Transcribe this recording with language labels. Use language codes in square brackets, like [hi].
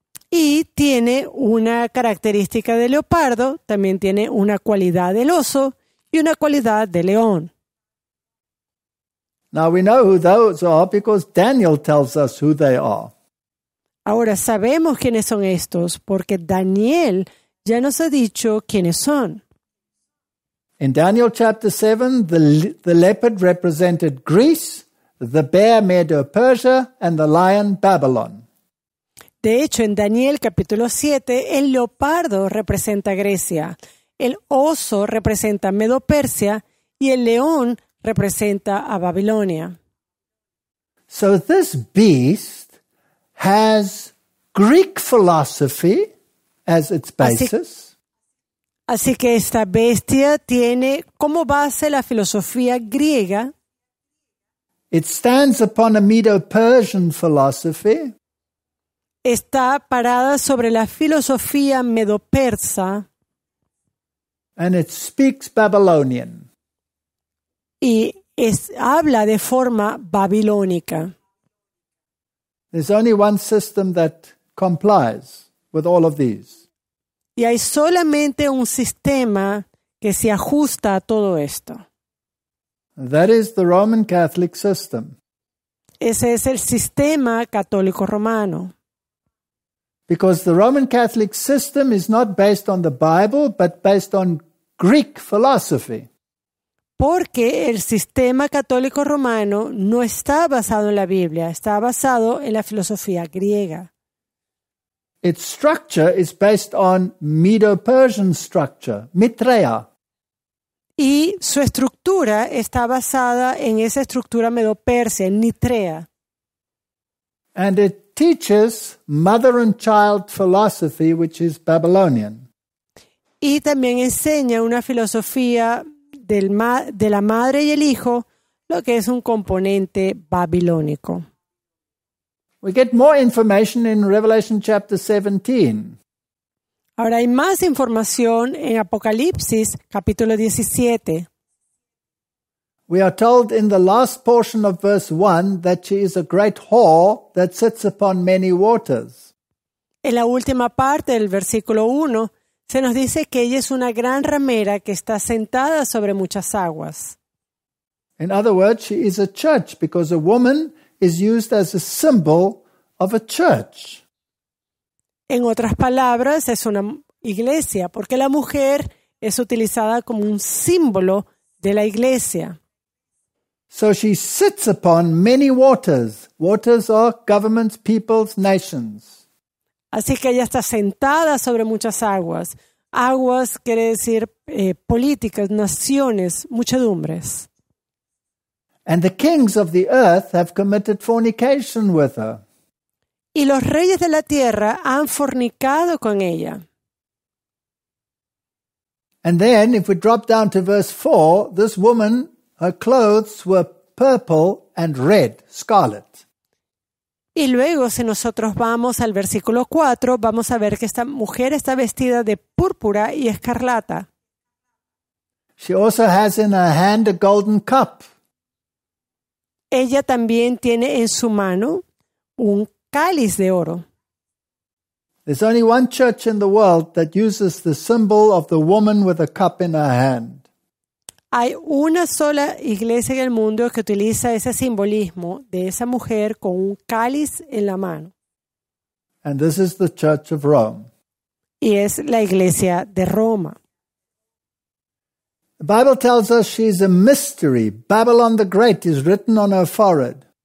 [es] y tiene una característica de leopardo, también tiene una cualidad del oso y una cualidad de león. [en] Now we know who those are because Daniel tells us who they are. [es] Ahora sabemos quiénes son estos porque Daniel ya nos ha dicho quiénes son. [en] In Daniel chapter 7, the leopard represented Greece, the bear Medo-Persia, and the lion Babylon. [es] De hecho, en Daniel capítulo 7, el leopardo representa Grecia, el oso representa Medo-Persia y el león representa a Babilonia. [en] So this beast has Greek philosophy as its basis. [es] Así que esta bestia tiene como base la filosofía griega. [en] It stands upon a Medo-Persian philosophy. [es] Está parada sobre la filosofía medo-persa. [en] And it speaks Babylonian. [es] Y habla de forma babilónica. [en] There's only one system that complies with all of these. [es] Y hay solamente un sistema que se ajusta a todo esto. [en] That is the Roman Catholic system. [es] Ese es el sistema católico romano. [en] Because the Roman Catholic system is not based on the Bible, but based on Greek philosophy. [es] Porque el sistema católico romano no está basado en la Biblia, está basado en la filosofía griega. [en] Its structure is based on Medo-Persian structure, Mitreia. [es] Y su estructura está basada en esa estructura Medo-Persia, en Nitrea. [en] And it teaches mother and child philosophy, which is Babylonian. [es] Y también enseña una filosofía de la madre y el hijo, lo que es un componente babilónico. [en] We get more information in Revelation chapter 17. [es] Ahora hay más información en Apocalipsis capítulo 17. [en] We are told in the last portion of verse 1 that she is a great whore that sits upon many waters. [es] En la última parte del versículo 1 se nos dice que ella es una gran ramera que está sentada sobre muchas aguas. [en] In other words, she is a church because a woman is used as a symbol of a church. [es] En otras palabras, es una iglesia, porque la mujer es utilizada como un símbolo de la iglesia. [en] So she sits upon many waters. Waters are governments, peoples, nations. [es] Así que ella está sentada sobre muchas aguas. Aguas quiere decir políticas, naciones, muchedumbres. [en] And the kings of the earth have committed fornication with her. [es] Y los reyes de la tierra han fornicado con ella. [en] And then, if we drop down to verse 4, this woman, her clothes were purple and red, scarlet. [es] Y luego, si nosotros vamos al versículo 4, vamos a ver que esta mujer está vestida de púrpura y escarlata. [en] She also has in her hand a golden cup. [es] Ella también tiene en su mano un cáliz de oro. [en] There's only one church in the world that uses the symbol of the woman with a cup in her hand. [es] Hay una sola iglesia en el mundo que utiliza ese simbolismo de esa mujer con un cáliz en la mano. [en] And this is the Church of Rome. [es] Y es la iglesia de Roma. [en] The Bible tells us she's a mystery. Babylon the Great is written on her forehead.